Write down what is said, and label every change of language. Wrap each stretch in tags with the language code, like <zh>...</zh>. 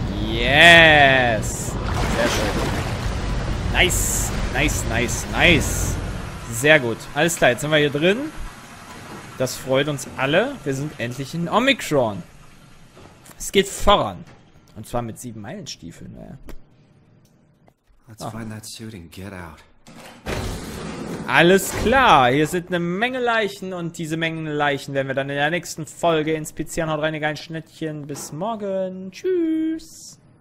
<en>Yes.</en> <de>Sehr schön.</de> <en>Nice. Nice, nice, nice.</en> <de>Sehr gut. Alles klar, jetzt sind wir hier drin. Das freut uns alle. Wir sind endlich in Omikron. Es geht voran. Und zwar mit 7-Meilen-Stiefeln. Ja.</de> <en>Let's find that suit and get out.</en> <de>Alles klar. Hier sind eine Menge Leichen. Und diese Menge Leichen werden wir dann in der nächsten Folge inspizieren. Haut rein, ihr geilen Schnittchen. Bis morgen. Tschüss.</de>